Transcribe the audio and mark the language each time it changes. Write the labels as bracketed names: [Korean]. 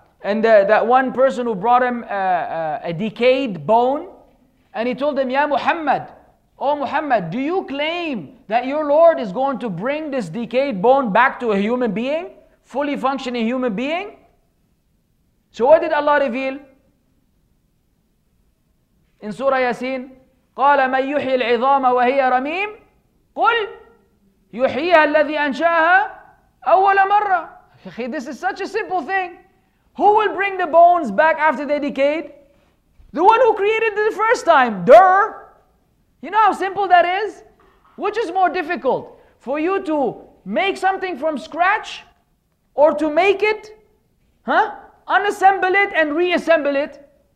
[English] And that one person who brought him a decayed bone, and he told him, Ya Muhammad, O Muhammad, do you claim that your Lord is going to bring this decayed bone back to a human being, fully functioning human being? So what did Allah reveal? In Surah Yasin, [Arabic] قَالَ مَنْ يُحْيِي الْعِظَامَ وَهِيَ رَمِيمٌ قُلْ يُحْيِيهَا الَّذِي أَنْشَاهَا أَوَّلَ مَرَّةٌ [English] This is such a simple thing. Who will bring the bones back after they decayed? The one who created it the first time. Duh! You know how simple that is? Which is more difficult? For you to make something from scratch? Or to make it? Huh? Unassemble it and reassemble it?